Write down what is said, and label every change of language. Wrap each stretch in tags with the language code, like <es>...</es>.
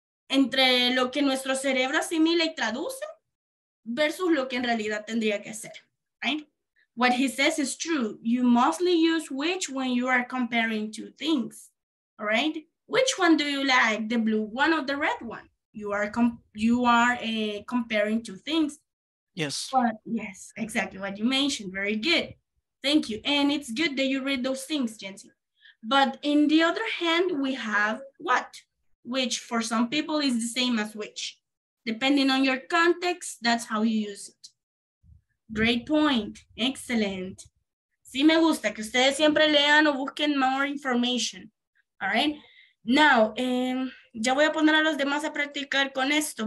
<es>Entre lo que nuestro cerebro asimila y traduce versus lo que en realidad tendría que ser, right?</es> <en>What he says is true. You mostly use which when you are comparing two things, all right? Which one do you like, the blue one or the red one? You are comparing two things. Yes. But yes, exactly what you mentioned. Very good. Thank you. And it's good that you read those things, Jensi. But in the other hand, we have what, which for some people is the same as which. Depending on your context, that's how you use it. Great point. Excellent.</en> <es>Sí, me gusta que ustedes siempre lean o busquen</es> <en>more information.</en> <es>All right. Now, ya voy a poner a los demás a practicar con esto.</es>